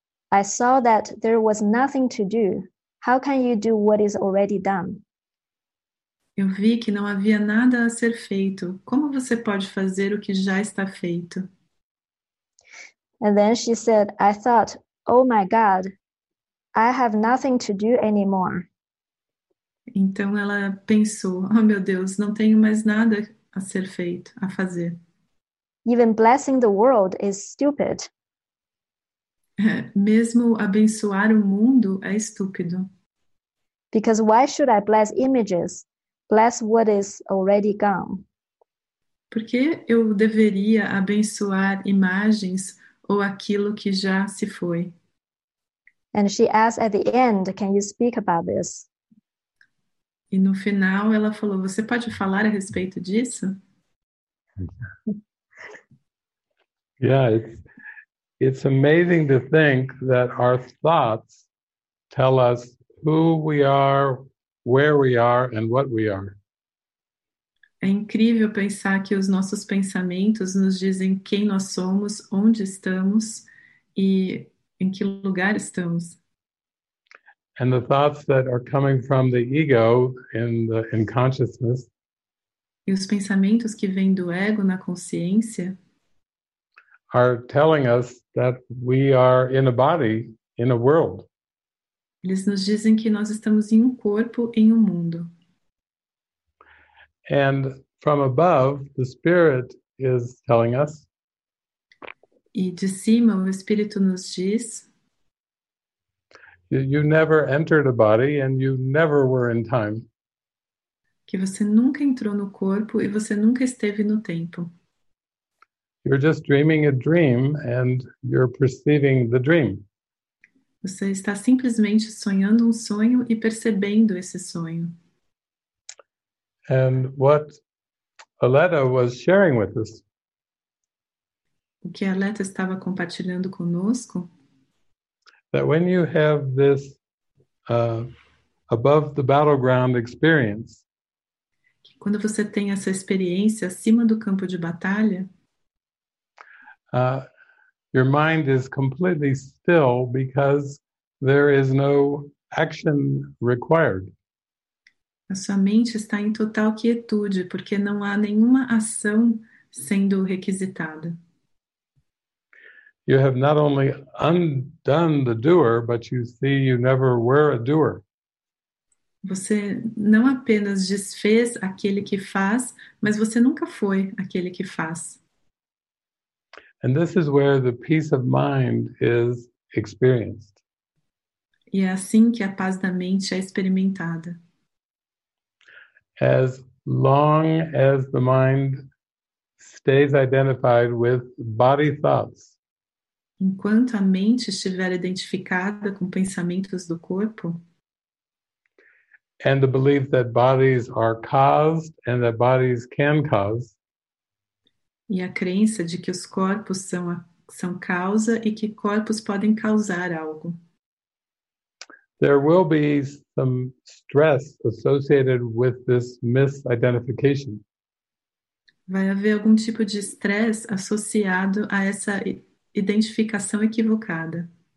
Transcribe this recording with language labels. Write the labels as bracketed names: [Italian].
[English] I saw that there was nothing to do. How can you do what is already done? [Portuguese] Eu vi que não havia nada a ser feito. Como você pode fazer o que já está feito? [English] And then she said, I thought, oh my God, I have nothing to do anymore. [Portuguese] Então ela pensou, oh meu Deus, não tenho mais nada a ser feito, a fazer. [English] Even blessing the world is stupid. [Portuguese] Mesmo abençoar o mundo é estúpido. [English] Because why should I bless images? Bless what is already gone. [Portuguese] Por que eu deveria abençoar imagens ou aquilo que já se foi? [English] And she asked at the end, can you speak about this? [Portuguese] E no final ela falou, você pode falar a respeito disso? [English] Yeah, it's amazing to think that our thoughts tell us who we are, where we are, and what we are. [Portuguese] É incrível pensar que os nossos pensamentos nos dizem quem nós somos, onde estamos e em que lugar estamos. [English] And the thoughts that are coming from the ego in consciousness. [Portuguese] E os pensamentos que vêm do ego na consciência. [English] Are telling us that we are in a body, in a world. [Portuguese] Eles nos dizem que nós estamos em corpo, em mundo. [English] And from above, the spirit is telling us. [Portuguese] E de cima, o espírito nos diz. [English] You never entered a body and you never were in time. [Portuguese] Que você nunca entrou no corpo e você nunca esteve no tempo. [English] You're just dreaming a dream and you're perceiving the dream. [Portuguese] Você está simplesmente sonhando sonho e percebendo esse sonho. [English] And what Aletta was sharing with us. [Portuguese] O que a Aletta estava compartilhando conosco. [English] That when you have this above the battleground experience. [Portuguese] Que quando você tem essa experiência acima do campo de batalha. [English] Your mind is completely still because there is no action required. [Portuguese] A sua mente está em total quietude porque não há nenhuma ação sendo requisitada. [English] You have not only undone the doer, but you see you never were a doer. [Portuguese] Você não apenas desfez aquele que faz, mas você nunca foi aquele que faz. [English] And this is where the peace of mind is experienced. [Portuguese] E é assim que a paz da mente é experimentada. [English] As long as the mind stays identified with body thoughts. [Portuguese] Enquanto a mente estiver identificada com pensamentos do corpo. [English] And the belief that bodies are caused and that bodies can cause. [Portuguese] E a crença de que os corpos são causa e que corpos podem causar algo. [English] There will be some stress associated with this misidentification. [Portuguese] Vai haver algum tipo de stress associado a essa identificação equivocada.